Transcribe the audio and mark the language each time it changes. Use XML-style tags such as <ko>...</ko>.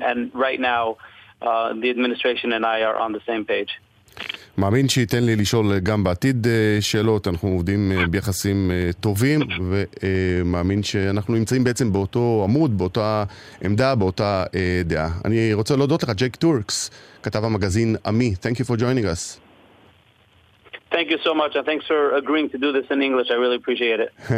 <en>And right now, the administration and I are on the same page.</en> <he>מאמין שייתן לי לשאול גם בעתיד שאלות. אנחנו עובדים ביחסים טובים, ומאמין שאנחנו נמצאים בעצם באותו עמוד, באותה עמדה, באותה דעה. אני רוצה להודות לך, ג'ק טורקס, כתב המגזין עמי.</he> <en>Thank you for joining us. Thank you so much, and thanks for agreeing to do this in English. I really appreciate it.</en>